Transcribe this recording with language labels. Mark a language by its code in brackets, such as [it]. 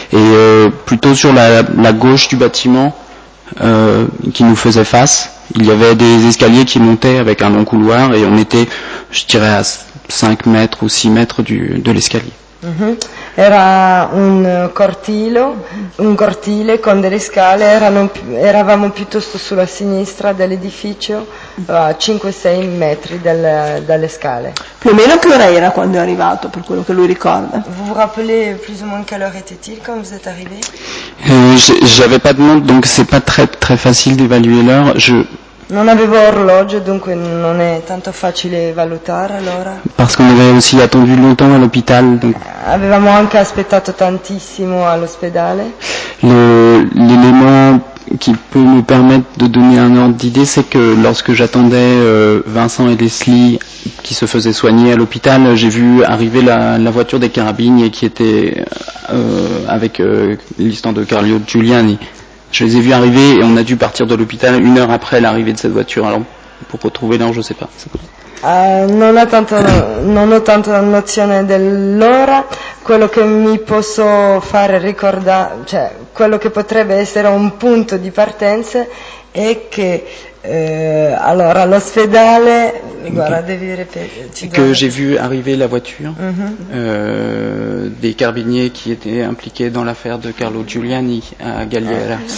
[fr] Et plutôt sur la gauche du bâtiment qui nous faisait face, il y avait des escaliers qui montaient avec un long couloir et on était, je dirais, à 5 mètres ou 6 mètres de l'escalier. [it] Era un cortile con delle scale, eravamo piuttosto sulla sinistra dell'edificio, a 5-6 metri dalle scale. Più o meno che ora era quando è arrivato, per quello che lui ricorda? [fr] Vous vous rappelez plus ou moins quelle heure était-il quand vous êtes arrivé? J'avais pas de montre, donc c'est pas très, très facile d'évaluer l'heure. [it] Non avevo orologio, dunque non è tanto facile valutare allora. [fr] Parce qu'on avait aussi attendu longtemps à l'hôpital. Donc... [it] avevamo anche aspettato tantissimo all'ospedale. [fr] L'élément qui peut me permettre de donner un ordre d'idée, c'est que lorsque j'attendais Vincent et Leslie qui se faisaient soigner à l'hôpital, j'ai vu arriver la voiture des carabines qui était avec l'histoire de Carlo Giuliani. Je les ai vus arriver et on a dû partir de l'hôpital une heure après l'arrivée de cette voiture. Alors, pour retrouver l'heure, je ne sais pas. [it] Non ho tanto nozione dell'ora. Quello che mi posso fare ricordare, cioè, quello che potrebbe essere un punto di partenza è che [fr] Alors à l'hospitale, voilà, que j'ai vu arriver la voiture des carabiniers qui étaient impliqués dans l'affaire de Carlo Giuliani à Galliera.